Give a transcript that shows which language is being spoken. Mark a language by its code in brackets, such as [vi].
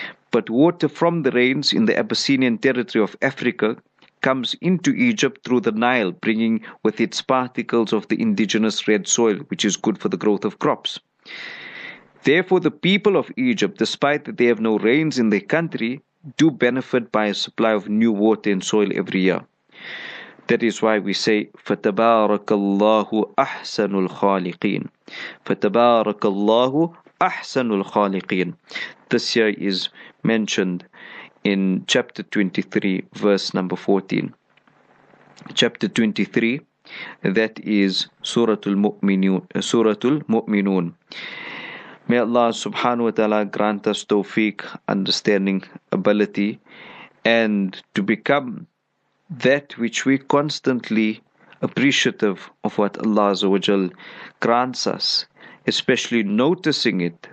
[en] But water from the rains in the Abyssinian territory of Africa comes into Egypt through the Nile, bringing with its particles of the indigenous red soil, which is good for the growth of crops. Therefore, the people of Egypt, despite that they have no rains in their country, do benefit by a supply of new water and soil every year. That is why we say, [ar] فَتَبَارَكَ أَحْسَنُ الْخَالِقِينَ فَتَبَارَكَ أَحْسَنُ الْخَالِقِينَ. [en] This year is mentioned in chapter 23, verse number 14. Chapter 23, that is Suratul Mu'minun. May Allah subhanahu wa ta'ala grant us tawfiq, understanding, ability, and to become that which we constantly appreciative of what Allah azza wa jal grants us, especially noticing it.